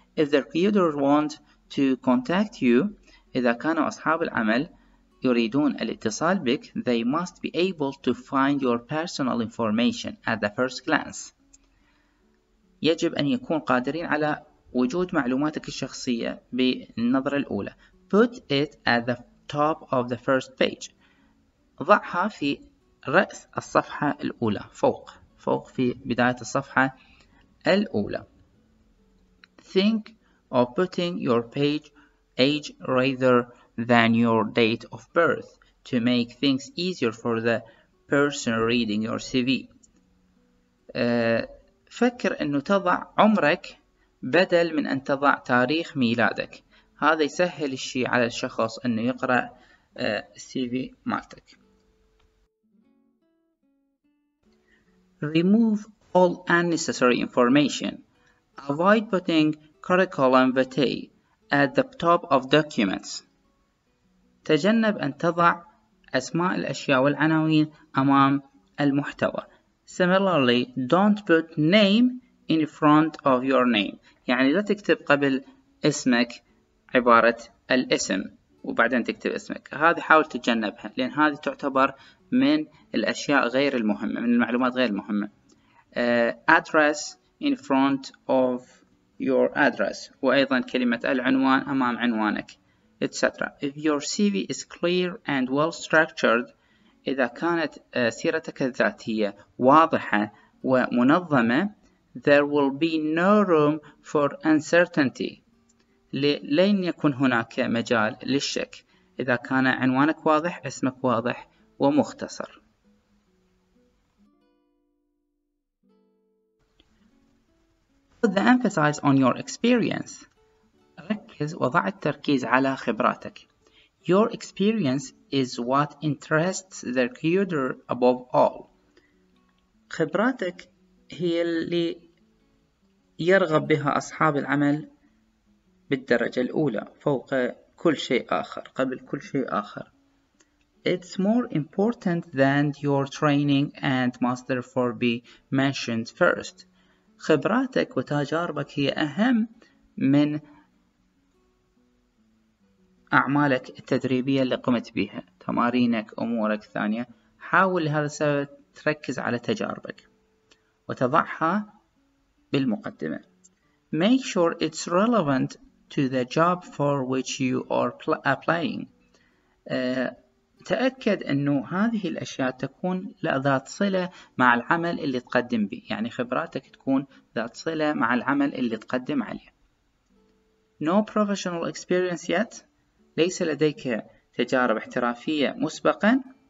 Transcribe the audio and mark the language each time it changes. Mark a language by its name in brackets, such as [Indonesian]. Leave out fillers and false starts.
[English] If the recruiter want to contact you, [Arabic] إذا كانوا أصحاب العمل يريدون الاتصال بك, [English] they must be able to find your personal information at the first glance. [Arabic] يجب أن يكون قادرين على وجود معلوماتك الشخصية بالنظرة الأولى. [English] Put it at the top of the first page. [Arabic] ضعها في رأس الصفحة الأولى, فوق في بداية الصفحة الأولى. [English] Think of putting your page age rather than your date of birth to make things easier for the person reading your CV. [Arabic] فكر أنه تضع عمرك بدل من أن تضع تاريخ ميلادك. هذا يسهل الشيء على الشخص أنه يقرأ CV مالتك. [English] Remove all unnecessary information. Avoid putting curriculum vitae at the top of documents. [Arabic] تجنب أن تضع أسماء الأشياء والعناوين أمام المحتوى. [English] Similarly, don't put name in front of your name. [Arabic] يعني لا تكتب قبل اسمك عبارة الاسم وبعدين تكتب اسمك. هذه حاول تتجنبها لأن هذه تعتبر من الأشياء غير المهمة, من المعلومات غير المهمة. [English] Address in front of your address, [Arabic] وأيضا كلمة العنوان أمام عنوانك, [English] etc. If your CV is clear and well structured, [Arabic] إذا كانت سيرتك الذاتية واضحة ومنظمة, [English] There will be no room for uncertainty. [Arabic] لن يكون هناك مجال للشك إذا كان عنوانك واضح، اسمك واضح ومختصر. [English] Put the emphasis on your experience. [Arabic] ركز وضع التركيز على خبراتك. [English] Your experience is what interests the recruiter above all. [Arabic] خبراتك هي اللي يرغب بها أصحاب العمل بالدرجة الأولى فوق كل شيء آخر، قبل كل شيء آخر. [English] It's more important than your training and master for be mentioned first. [Arabic] خبراتك وتجاربك هي أهم من أعمالك التدريبية اللي قمت بها، تمارينك، أمورك الثانية. حاول لهذا السبب تركز على تجاربك وتضعها بالمقدمة. [English] Make sure it's relevant to the job for which you are applying. [Arabic] تأكد أنه هذه الأشياء تكون ذات صلة مع العمل اللي تقدم به، يعني خبراتك تكون ذات صلة مع العمل اللي تقدم عليه. [English] No professional experience yet. [Arabic] ليس لديك تجارب احترافية مسبقا.